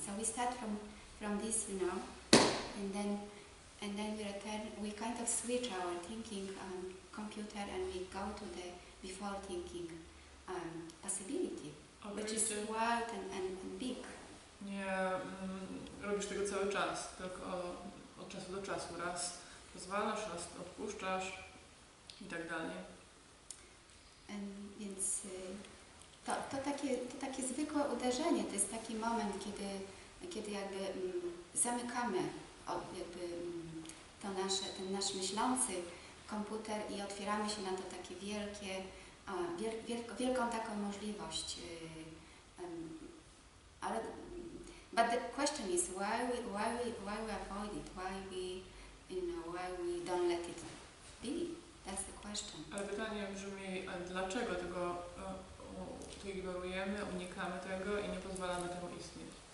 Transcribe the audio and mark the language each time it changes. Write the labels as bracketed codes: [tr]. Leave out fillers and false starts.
[en] So we start from this, you know, and then we return, we kind of switch our thinking on computer and we go to the before thinking possibility, which is wild and big. [pl] Nie robisz tego cały czas, tylko od czasu do czasu. Raz pozwalasz, raz odpuszczasz i tak dalej. Więc to takie zwykłe uderzenie, to jest taki moment, kiedy jakby zamykamy jakby to nasze, ten nasz myślący komputer i otwieramy się na to takie wielkie, wielką taką możliwość. Ale [en] but the question is why we avoid it, why we don't let it be? That's the question. [pl] Ale pytanie brzmi, dlaczego tego ignorujemy, unikamy tego i nie pozwalamy temu istnieć?